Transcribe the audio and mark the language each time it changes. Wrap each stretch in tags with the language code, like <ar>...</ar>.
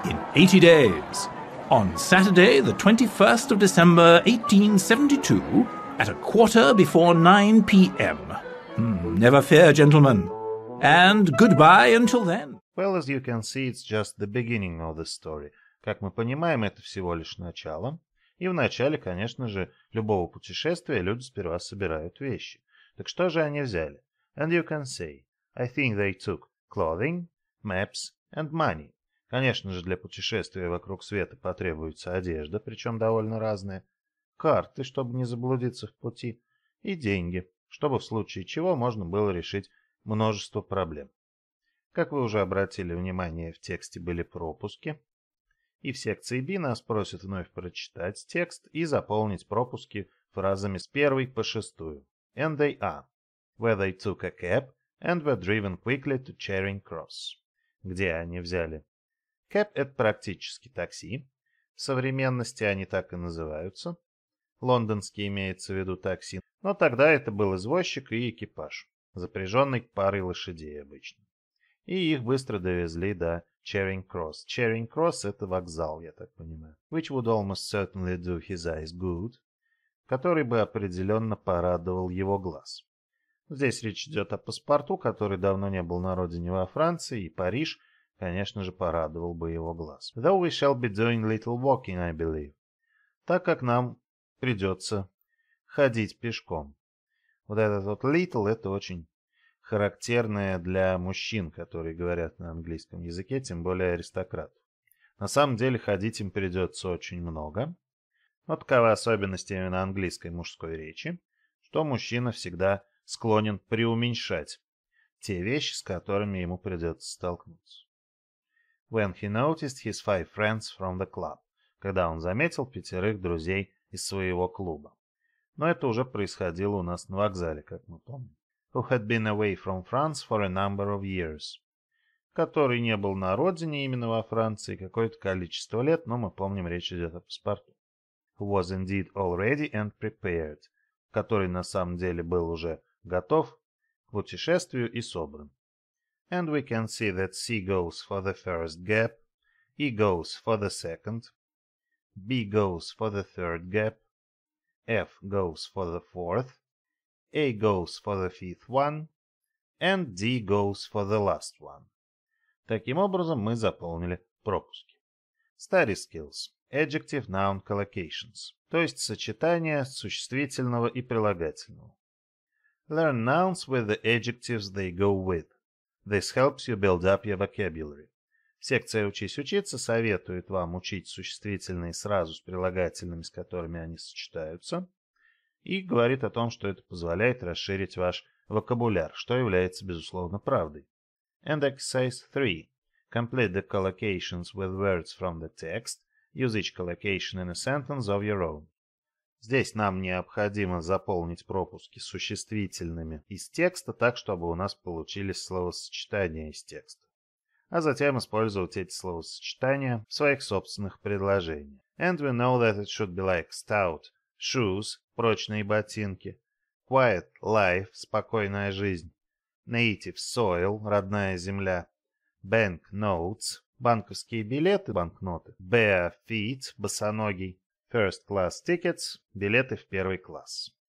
<en>"In 80 days. On Saturday, the 21st of December, 1872, at 9:15 p.m. Never fear, gentlemen. And goodbye until then." Well, as you can see, it's just the beginning of the story.</en> <ru>Как мы понимаем, это всего лишь начало. И в начале, конечно же, любого путешествия люди сперва собирают вещи. Так что же они взяли?</ru> <en>And you can see, I think they took clothing, maps and money.</en> <ru>Конечно же, для путешествия вокруг света потребуется одежда, причем довольно разная, карты, чтобы не заблудиться в пути, и деньги, чтобы в случае чего можно было решить множество проблем. Как вы уже обратили внимание, в тексте были пропуски. И в секции B нас просят вновь прочитать текст и заполнить пропуски фразами с 1 по 6.</ru> <en>And they are. Where they took a cab and were driven quickly to Charing Cross.</en> <ru>Где они взяли? Cab – это практически такси. В современности они так и называются. Лондонский имеется в виду такси. Но тогда это был извозчик и экипаж, запряженный парой лошадей обычно. И их быстро довезли до Charing Cross. Charing Cross – это вокзал, я так понимаю.</ru> <en>Which would almost certainly do his eyes good.</en> <ru>Который бы определенно порадовал его глаз. Здесь речь идет о паспорту, который давно не был на родине во Франции, и Париж, конечно же, порадовал бы его глаз.</ru> <en>Though we shall be doing little walking, I believe.</en> <ru>Так как нам придется ходить пешком. Вот этот вот little – это очень характерное для мужчин, которые говорят на английском языке, тем более аристократов. На самом деле ходить им придется очень много. Но такова особенность именно английской мужской речи, что мужчина всегда склонен преуменьшать те вещи, с которыми ему придется столкнуться.</ru> <en>When he noticed his 5 friends from the club.</en> <ru>Когда он заметил 5 друзей из своего клуба. Но это уже происходило у нас на вокзале, как мы помним.</ru> <en>Who had been away from France for a number of years.</en> <ru>Который не был на родине именно во Франции какое-то количество лет, но мы помним, речь идет о паспорту.</ru> <en>Who was indeed already and prepared.</en> <ru>Который на самом деле был уже готов к путешествию и собран.</ru> <en>And we can see that C goes for the first gap. E goes for the second. B goes for the third gap. F goes for the fourth. A goes for the fifth one. And D goes for the last one.</en> <ru>Таким образом, мы заполнили пропуски.</ru> <en>Study skills. Adjective noun collocations.</en> <ru>То есть сочетание существительного и прилагательного.</ru> <en>Learn nouns with the adjectives they go with. This helps you build up your vocabulary.</en> <ru>Секция «Учись учиться» советует вам учить существительные сразу с прилагательными, с которыми они сочетаются, и говорит о том, что это позволяет расширить ваш вокабуляр, что является, безусловно, правдой.</ru> <en>And exercise 3. Complete the collocations with words from the text. Use each collocation in a sentence of your own.</en> <ru>Здесь нам необходимо заполнить пропуски существительными из текста так, чтобы у нас получились словосочетания из текста. А затем использовать эти словосочетания в своих собственных предложениях.</ru> <en>And we know that it should be like stout shoes,</en> <ru>прочные ботинки,</ru> <en>quiet life,</en> <ru>спокойная жизнь,</ru> <en>native soil,</en> <ru>родная земля,</ru> <en>bank notes,</en> <ru>банковские билеты, банкноты,</ru> <en>bare feet,</en> <ru>босоногий,</ru> <en>first class tickets,</en> <ru>билеты в первый класс.</ru>